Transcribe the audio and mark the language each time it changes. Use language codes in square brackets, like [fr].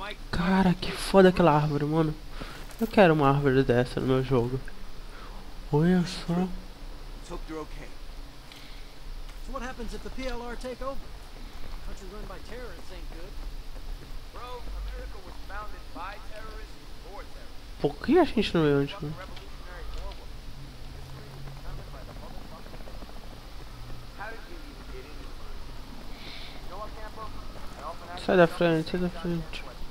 [pt] Cara, que foda aquela árvore, mano. Eu quero uma árvore dessa no meu jogo. Olha só. [en] Hope they're okay. So what happens if the PLR take over? Country run by terrorists ain't good. Bro, America was founded by terrorists for terrorists. [pt] Por que a gente não veio antes, né? Sai da frente, sai da frente.